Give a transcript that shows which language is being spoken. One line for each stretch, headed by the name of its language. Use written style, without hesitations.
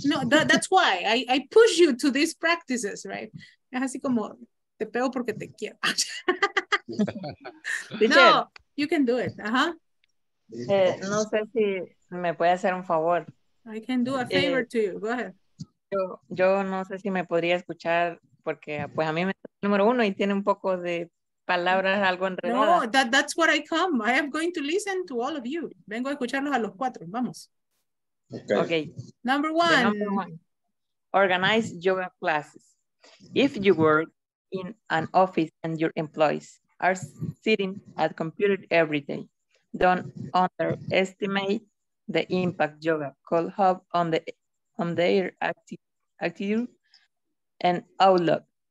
English: No, that's why I push you to these practices, right?
Spanish: Es así como, te pego porque te quiero.
English: No, you can do it.
Spanish: No sé si me puede hacer un favor.
English: I can do a favor to you. Go ahead.
Spanish: Yo no sé si me podría escuchar porque pues a mí me está el número uno y tiene un poco de palabras algo enredadas.
English: No, that's what I come. I am going to listen to all of you. Vengo a escucharlos a los cuatro. Vamos. Okay. Number one. Organize yoga classes. If you work in an office and your employees are sitting at computer every day, don't underestimate the impact yoga could have on the on their attitude and outlook.